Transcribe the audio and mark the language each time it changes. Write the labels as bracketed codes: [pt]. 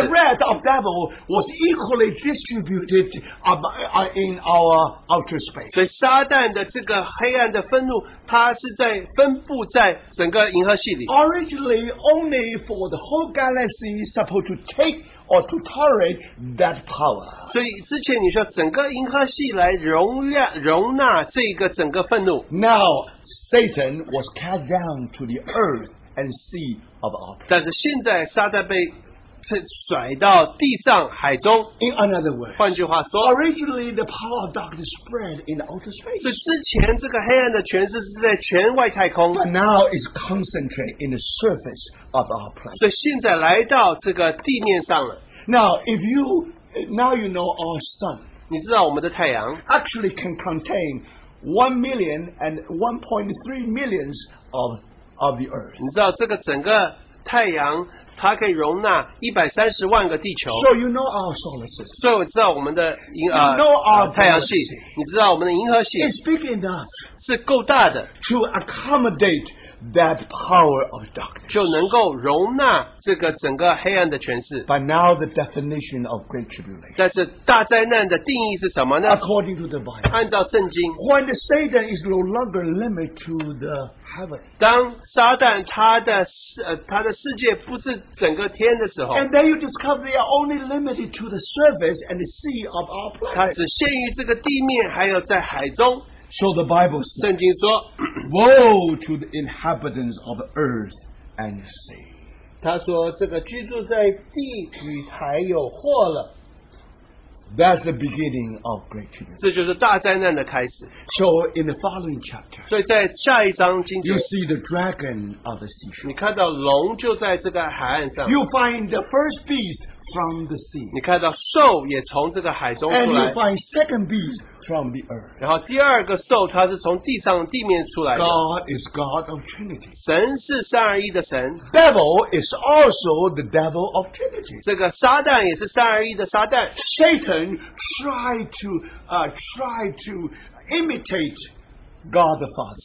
[en] The wrath of devil was equally distributed in our outer space. [zh] 所以撒旦的这个黑暗的愤怒, 它是在分布在整个银河系里。 [en] Originally, only for the whole galaxy supposed to take or to tolerate that power. [zh] 所以之前你说整个银河系来容纳这个整个愤怒。 [en] Now, Satan was cast down to the earth and sea of our place. [zh] 但是现在撒旦被甩到地上海中。 [en] In other words, [zh] 换句话说, [en] originally the power of darkness spread in the outer space. [zh] 所以之前这个黑暗的权势是在全外太空。 [en] But now it's concentrated in the surface of our planet. [zh] 所以现在来到这个地面上了。 [en] Now, if you, now you know our sun, [zh] 你知道我们的太阳, [en] actually can contain 1 million and 1.3 millions of the earth. [zh] 你知道这个整个太阳, 它可以容纳130万个地球。 [en] So you know our solar system. [zh] 所以我知道我们的银, [en] you know our [zh] 太阳系, 你知道我们的银河系, [en] it's big enough, [zh] 是够大的, [en] to accommodate that power of darkness. [zh] 就能够容纳这个整个黑暗的权势。 [en] But now the definition of great tribulation. [zh] 但是大灾难的定义是什么呢? [en] According to the Bible. [zh] 按照圣经, [en] when the Satan is no longer limited to the heaven. [zh] 当撒旦他的, 他的世界不是整个天的时候, [en] and then you discover they are only limited to the surface and the sea of our planet. [zh] 他只限于这个地面, 还有在海中。 [en] So the Bible says, [zh] 圣经说, [en] woe to the inhabitants of earth and sea. [zh] 他说这个居住在地与海有祸了。 [en] That's the beginning of great tribulation. [zh] 这就是大灾难的开始。 [en] So in the following chapter, [zh] 所以在下一章经节, [en] you see the dragon of the seashore. [zh] 你看到龙就在这个海岸上。 [en] You find the first beast from the sea. [zh] 你看到兽也从这个海中出来, [en] and you find second beast from the earth. [zh] 然后第二个兽它是从地上地面出来的, [en] God is God of Trinity. [zh] 神是三而一的神, [en] devil is also the devil of Trinity. [zh] 这个撒旦也是三而一的撒旦, [en] Satan tried to imitate God the Father.